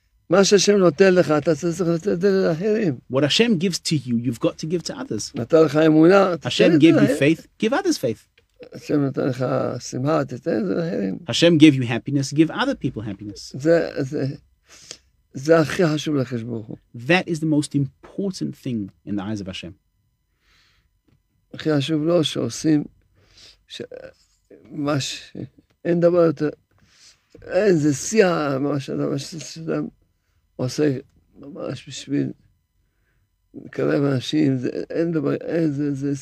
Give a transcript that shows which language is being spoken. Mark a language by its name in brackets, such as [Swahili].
[Hebrew] מה שהשם נותן לך, אתה צריך לתת את זה לאחרים. [English] What Hashem gives to you, you've got to give to others. [Hebrew] נתן לך אמונה, תתן את זה. [English] Hashem gave you faith, give others faith. [Hebrew] השם נתן לך שמחה, תתן את זה להם. [English] Hashem gave you happiness, give other people happiness. [Hebrew] זה הכי חשוב לקדוש ברוך הוא. [English] That is the most important thing in the eyes of Hashem. [Hebrew] הכי חשוב לו שעושים, ממש, אין דבר יותר, אין, זה שיא ממש, ממש, שאדם עושה ממש בשביל לקרב אנשים, אין דבר, אין,